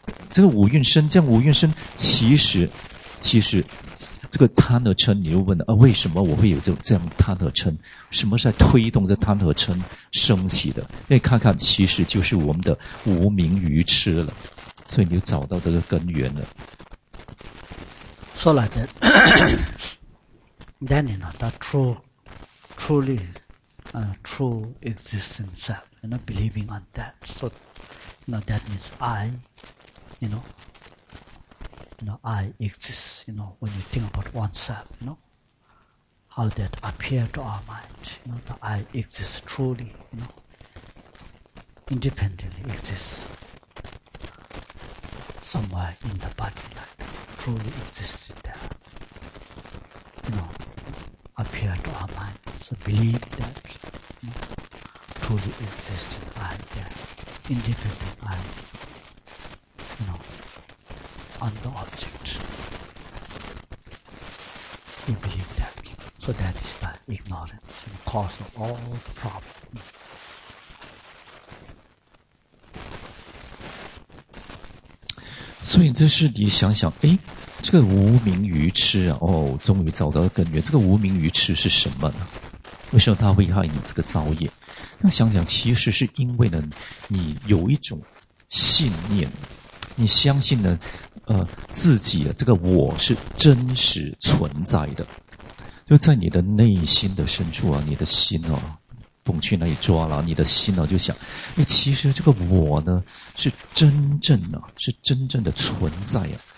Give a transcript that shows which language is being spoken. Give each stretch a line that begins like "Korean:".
Chinese: 这个五蕴身，这样五蕴身其实。这个贪和嗔，你又问了啊？为什么我会有这样贪和嗔？什么是在推动这贪和嗔升起的？那看看，其实就是我们的无明愚痴了。所以你就找到这个根源了。
English: So like that, then the true existing self, believing on that. So, that means I exist, when you think about oneself, how that appear to our mind, that I exist truly, independently exist somewhere in the body, like truly existed there, appear to our mind, so believe that, truly existed I there, independent I, on the object. You believe that. So that is the ignorance and cause of all the problem.
Chinese: 所以这是你想想，哎，这个无明愚痴啊，哦，终于找到根源。这个无明愚痴是什么呢？为什么它会害你这个造业？那想想，其实是因为呢，你有一种信念，你相信呢，自己的这个我是真实存在的，就在你的内心的深处啊，你的心啊，蹦去那里抓了，你的心啊就想，哎，其实这个我呢是真正的存在啊，